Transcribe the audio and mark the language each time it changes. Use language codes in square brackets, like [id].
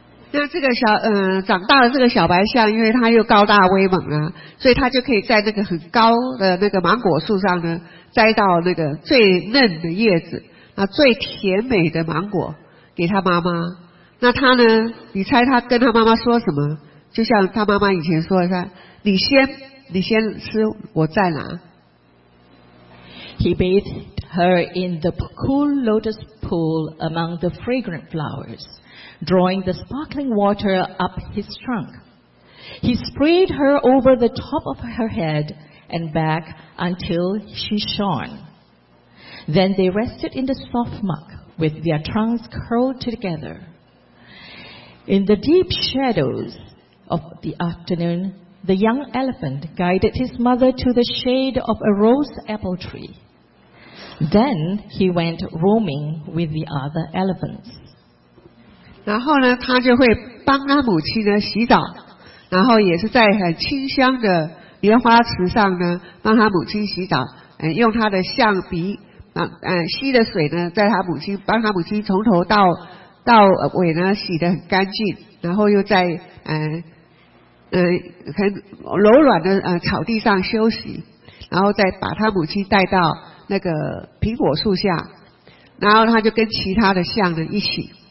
[zh] 那这个小长大的这个小白象，因为他又高大威猛啊，所以他就可以在那个很高的那个芒果树上呢，摘到那个最嫩的叶子，那最甜美的芒果给他妈妈。那他呢？你猜他跟他妈妈说什么？就像他妈妈以前说的，他你先吃，我再拿。 [en] He bathed her in the cool lotus pool among the fragrant flowers. Drawing the sparkling water up his trunk. He sprayed her over the top of her head and back until she shone. Then they rested in the soft muck with their trunks curled together. In the deep shadows of the afternoon, the young elephant guided his mother to the shade of a rose apple tree. Then he went roaming with the other elephants. [zh] 然后呢，他就会帮他母亲呢洗澡，然后也是在很清香的莲花池上呢帮他母亲洗澡，用他的象鼻吸的水呢，在他母亲帮他母亲从头到尾呢洗得很干净，然后又在很柔软的草地上休息，然后再把他母亲带到那个苹果树下，然后他就跟其他的象呢一起。